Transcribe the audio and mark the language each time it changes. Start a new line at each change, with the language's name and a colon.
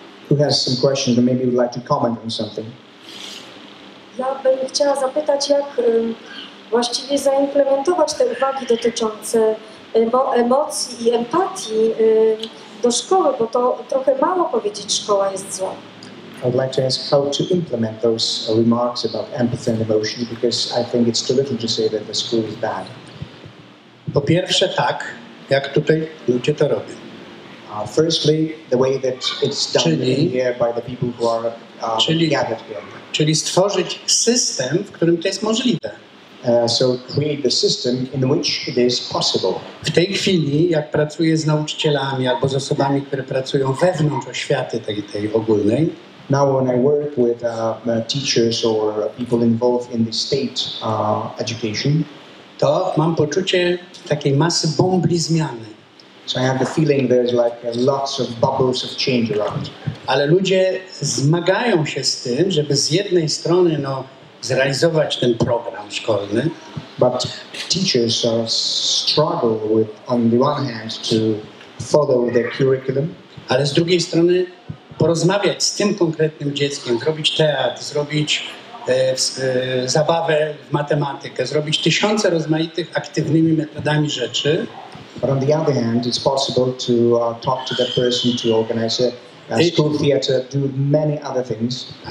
English: Who has some questions or maybe would like to comment on something?
Polish: Ja bym chciała zapytać, jak właściwie zaimplementować te uwagi dotyczące emocji i empatii do szkoły, bo to trochę mało powiedzieć, szkoła jest zła.
English: I would like to ask how to implement those remarks about empathy and emotion, because I think it's too little to say that the school is bad.
Polish: Po pierwsze, tak, jak tutaj ludzie to robią.
English: Firstly, the way that it's done here by the people who are gathered here.
Polish: Czyli stworzyć system, w którym to jest możliwe.
English: So create the system in which it is possible.
Polish: W tej chwili, jak pracuję z nauczycielami albo z osobami, które pracują wewnątrz oświaty tej ogólnej,
English: now when I work with teachers or people involved in the state education,
Polish: to mam poczucie takiej masy bąbli zmiany.
English: So I have the feeling there's like lots of bubbles of change around.
Polish: Ale ludzie zmagają się z tym, żeby z jednej strony zrealizować ten program szkolny.
English: But teachers struggle with, on the one hand, to follow their curriculum.
Polish: Ale z drugiej strony porozmawiać z tym konkretnym dzieckiem, zrobić teatr, zrobić zabawę w matematykę, zrobić tysiące rozmaitych aktywnymi metodami rzeczy.
English: But on the other hand, it's possible to talk to that person, to organize a school theater, do many other things.